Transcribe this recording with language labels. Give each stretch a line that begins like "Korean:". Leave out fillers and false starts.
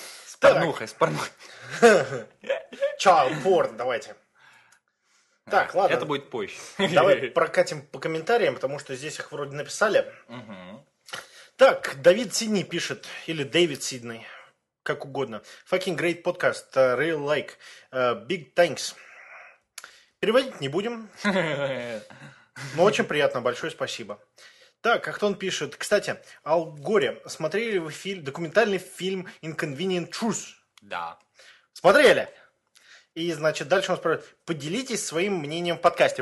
Russian: С порнухой, с порнухой. Че, порн, давайте. Так, ладно. Это будет позже. Давай прокатим по комментариям, потому что здесь их вроде написали. Так, Давид Сидни пишет, или Дэвид Сидней, как угодно.
English: Fucking great podcast, real like, big thanks.
Russian: Переводить не будем, но очень приятно, большое спасибо. Так, как-то он пишет, кстати, Ал Горе, смотрели вы фильм, документальный фильм Inconvenient Truth? Да. Смотрели? И, значит, дальше он спрашивает, поделитесь своим мнением в подкасте.